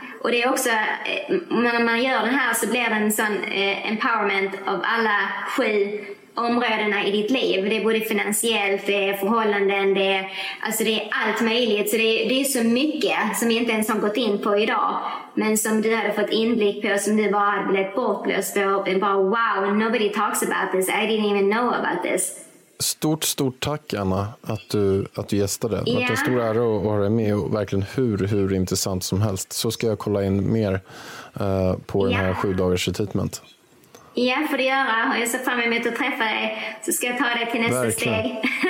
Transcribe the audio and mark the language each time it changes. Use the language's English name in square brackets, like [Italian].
[Swedish] Och det är också, när man gör det här så blir det en sån empowerment av alla 7 områdena i ditt liv. Det är både finansiellt, det är förhållanden, det är allt möjligt. Så det är så mycket som vi inte ens har gått in på idag, men som du hade fått inblick på, som du bara hade blivit bortlöst på. Och bara [English] wow, nobody talks about this, I didn't even know about this. [Swedish] Stort, stort tack, Anna, att du gästade. Det var en stor ära att ha dig med, och verkligen hur intressant som helst. Så ska jag kolla in mer på den här 7 dagars retreatment. Ja, får du göra. Och jag ser fram emot att träffa dig. Så ska jag ta dig till nästa steg.